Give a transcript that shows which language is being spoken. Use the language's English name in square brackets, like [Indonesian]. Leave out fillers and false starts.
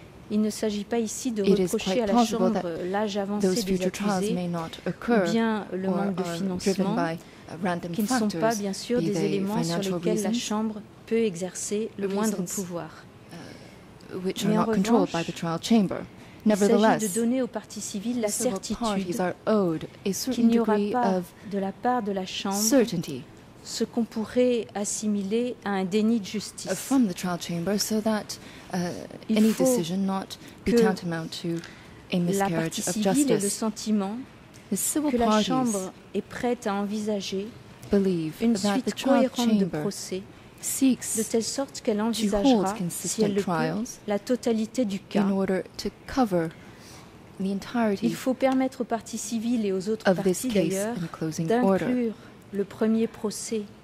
[French] Il ne s'agit pas ici de reprocher à la Chambre l'âge avancé des accusés ou bien le manque de financement, qui ne sont pas, bien sûr, des éléments sur lesquels la Chambre peut exercer le moindre pouvoir. Mais en revanche, il s'agit de donner aux parties civiles la certitude qu'il n'y aura pas de la part de la Chambre ce qu'on pourrait assimiler à un déni de justice. [English] From the trial chamber, so that any decision not be tantamount to a miscarriage of justice. [French] Il faut que la partie civile ait le sentiment que la chambre est prête à envisager une suite cohérente de procès, de telle sorte qu'elle envisagera, si elle le peut, la totalité du cas. [English] In order to cover the entirety. [French] Il faut permettre aux parties civiles et aux autres parties d'ailleurs d'inclure le premier procès,